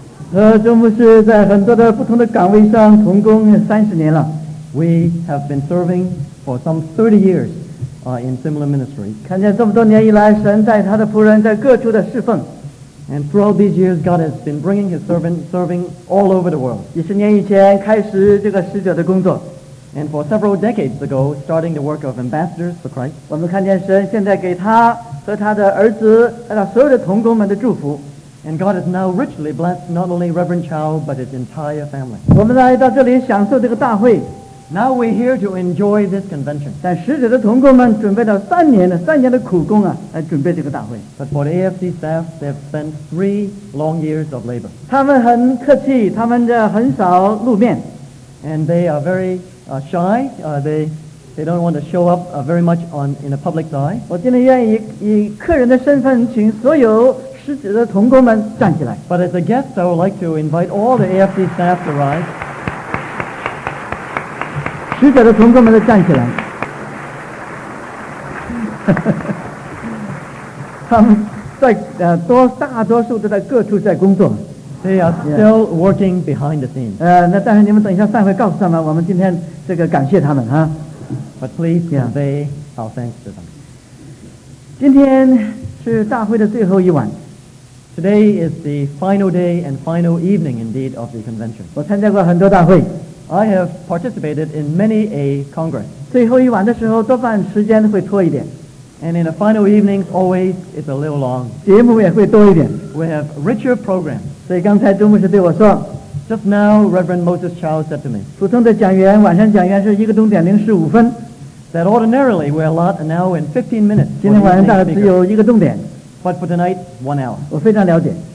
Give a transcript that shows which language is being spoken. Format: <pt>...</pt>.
<zh>和周牧师在很多的不同的岗位上同工30年了。</zh> <en>We have been serving for some 30 years, in similar ministry.</en> <zh>看见这么多年以来，神带他的仆人在各处的侍奉。</zh> <en>And throughout these years, God has been bringing His servant serving all over the world.</en> <zh>几十年以前开始这个使者的工作。</zh> <en>And for several decades ago, starting the work of ambassadors for Christ.</en> <zh>我们看见神现在给他和他的儿子和他所有的同工们的祝福。</zh> <en>And God has now richly blessed not only Reverend Chow, but his entire family.</en> <zh>我们来到这里享受这个大会。</zh> <en>Now we're here to enjoy this convention.</en> <zh>但使者的同工们准备了三年的苦工啊，来准备这个大会。</zh> <en>But for the AFC staff, they have spent 3 long years of labor.</en> <zh>他们很客气，他们这很少露面。</zh> <en>And they are very shy. They don't want to show up very much in the public eye.</en> <zh>我今天愿意以客人的身份，请所有使者的同工们站起来。</zh> <en>But as a guest, I would like to invite all the AFC staff to rise.</en> <zh>使者的同工们都站起来，他们在大多数都在各处在工作。</zh> <en>They are still working behind the scenes.</en> <zh>那但是你们等一下散会告诉他们，我们今天这个感谢他们哈。</zh> <en>But please convey our thanks to them.</en> <zh>今天是大会的最后一晚。</zh> <en>Today is the final day and final evening indeed of the convention.</en> <zh>我参加过很多大会。</zh> <en>I have participated in many a congress.</en> <zh>最后一晚的时候多半时间会拖一点。</zh> <en>And in the final evenings, always it's a little long.</en> <zh>节目也会多一点。</zh> <en>We have richer programs.</en> <zh>所以刚才周牧师对我说。</zh> <en>Just now, Reverend Moses Chow said to me.</en> <zh>普通的讲员晚上讲员是一个钟点零十五分。</zh> <en>That ordinarily we allot an hour and 15 minutes.</en> <zh>今天晚上大概只有一个钟点。</zh> <en>But for tonight, 1 hour.</en> <zh>我非常了解。</zh>